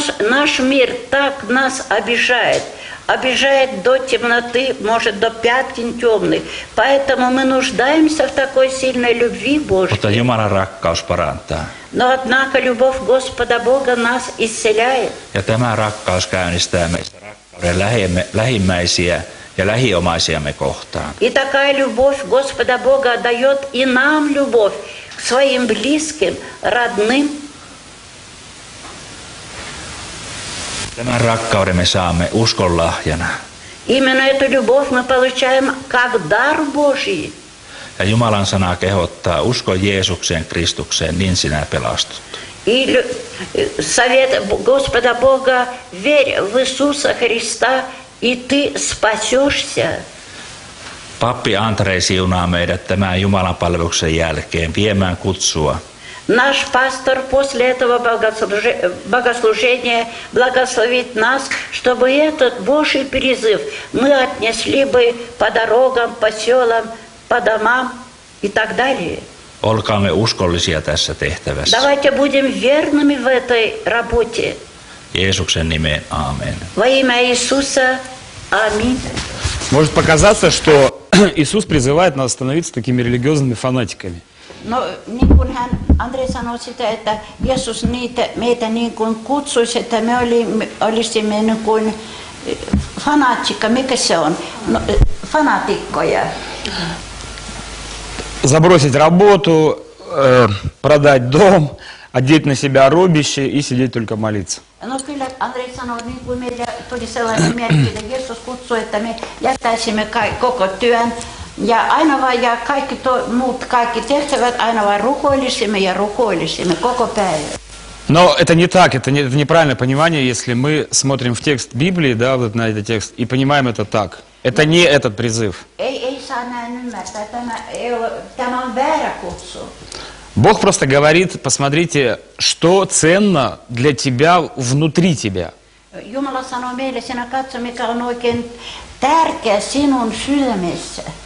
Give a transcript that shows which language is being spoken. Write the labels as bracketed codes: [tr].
[ru] Наш мир так нас обижает до темноты, может, до пятен темных. Поэтому мы нуждаемся в такой сильной любви Божьей. [fi] Mutta Jumalan rakkaus parantaa. [ru] Но однако любовь Господа Бога нас исцеляет. [fi] Ja tämä rakkaus käynnistää meistä rakkauden lähimmäisiä ja lähiomaisiamme kohtaan. [ru] И такая любовь Господа Бога дает и нам любовь к своим близким, родным. [fi] Tämän rakkauden me saamme uskon lahjana. [ru] Именно эту любовь мы получаем как дар Божий. [fi] Ja Jumalan sana kehottaa: usko Jeesukseen Kristukseen, niin sinä pelastut. [ru] И совет Господа Бога: верь в Иисуса Христа, и ты спасешься. [fi] Pappi Andrei siunaa meidät tämän Jumalan palveluksen jälkeen viemään kutsua. [ru] Наш пастор после этого богослужения благословит нас, чтобы этот Божий призыв мы отнесли бы по дорогам, по селам, по домам и так далее. [fi] Olkaamme uskollisia tässä tehtävässä. [ru] Давайте будем верными в этой работе. [fi] Jeesuksen nimeen, аамен. [ru] Во имя Иисуса, аминь. Может показаться, что Иисус призывает нас становиться такими религиозными фанатиками. [fi] No, niin kuin hän, Andrei sanoi sitä, että Jeesus meitä niin kuin kutsuisi, että me olisimme niin kuin fanaatikko, mikä se on? No, fanaatikkoja. [ru] Забросить работу, продать дом, одеть на себя рубище и сидеть только молиться. [fi] No kyllä, Andrei sanoi, niin kuin meillä tuli sellainen merkki, että Jeesus kutsui, että me jättäisimme koko työn. Ja aina vaan, ja kaikki muut, kaikki tehtävät, aina vaan rukoilisimme ja rukoilisimme koko päivä. [ru] Но это не так, это неправильное понимание, если мы смотрим в текст Библии, да, вот на этот текст, и понимаем это так. Это не этот призыв. [fi] Ei saa näin ymmärtää, tämä on väärä kutsu. [ru] Бог просто говорит: посмотрите, что ценно для тебя внутри тебя. [fi] Jumala sanoo meille, sinä katso, mikä on oikein tärkeä sinun sydämessä.